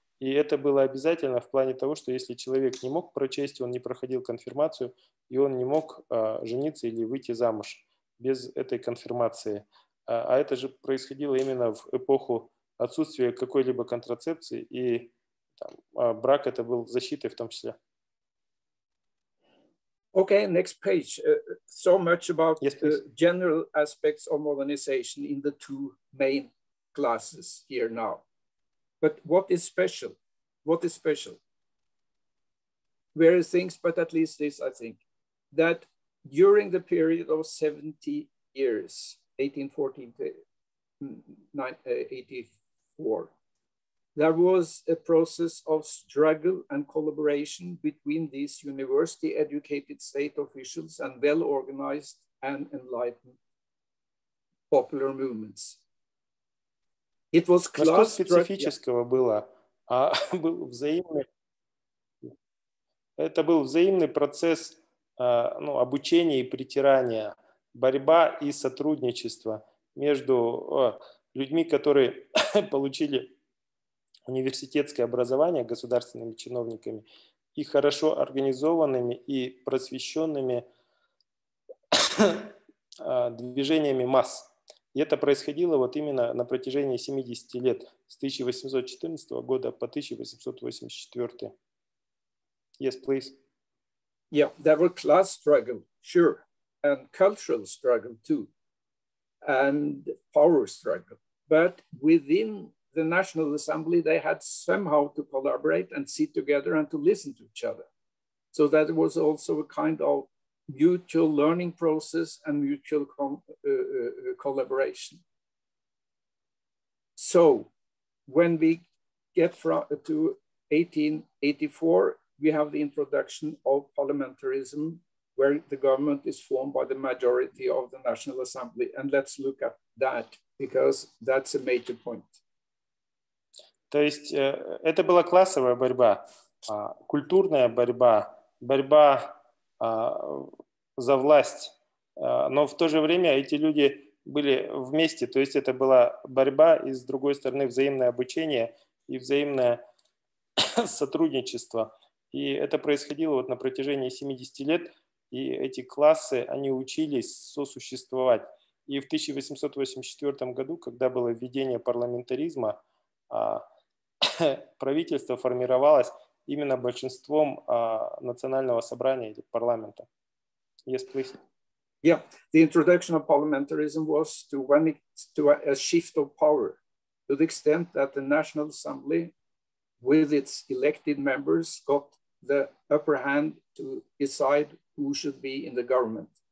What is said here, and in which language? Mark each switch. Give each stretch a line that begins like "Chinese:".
Russian: И это было обязательно в плане того, что если человек не мог прочесть, он не проходил конфирмацию, и он не мог жениться или выйти замуж без этой конфирмации. А это же происходило именно в эпоху отсутствия какой-либо контрацепции, и там, брак это был защитой в том числе.
English: Okay, next page. So much about the general aspects of modernization in the two main classes here now. But what is special? What is special? Various things, but at least this, I think, that during the period of 70 years, 1814 to 1884, there was a process of struggle and collaboration between these university-educated state officials and well-organized and enlightened popular movements. It was class
Russian: специфического было, а был взаимный. Это был взаимный процесс, ну, обучения и притирания, борьба и сотрудничество между людьми, которые получили университетское образование государственными чиновниками, и хорошо организованными и просвещенными движениями масс. И это происходило вот именно на протяжении 70 лет, с 1814 года по 1884.
English: Yes, please. Yeah, there were class struggle, sure, and cultural struggle too, and power struggle. But within the National Assembly, they had somehow to collaborate and sit together and to listen to each other. So that was also a kind of mutual learning process and mutual collaboration. So when we get to 1884, we have the introduction of parliamentarism, where the government is formed by the majority of the National Assembly. And let's look at that, because that's a major point.
Russian: То есть это была классовая борьба, культурная борьба, борьба за власть. Но в то же время эти люди были вместе. То есть это была борьба и, с другой стороны, взаимное обучение и взаимное сотрудничество. И это происходило вот на протяжении 70 лет. И эти классы, они учились сосуществовать. И в 1884 году, когда было введение парламентаризма, правительство формировалось именно большинством национального собрания или парламента.
English: Yes, please. Yeah, the introduction of parliamentarism was to when it, to a shift of power to the extent that the National Assembly with its elected members got the upper hand to decide who should be in the government.